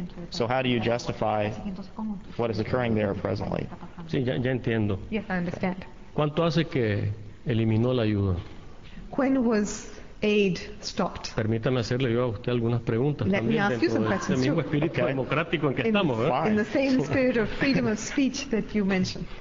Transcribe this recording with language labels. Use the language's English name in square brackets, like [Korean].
[English] So how do you justify what is occurring there presently? [Spanish] Sí, ya entiendo. [English] Yes, I understand. [Spanish] ¿Cuánto hace que eliminó la ayuda? [English] When was aid stopped? [Spanish] Permítame hacerle yo a usted algunas preguntas. [English] Let me ask you some questions too. [Spanish] En el mismo espíritu democrático en que estamos, ¿verdad? [English] In the same spirit of freedom of speech that you mentioned.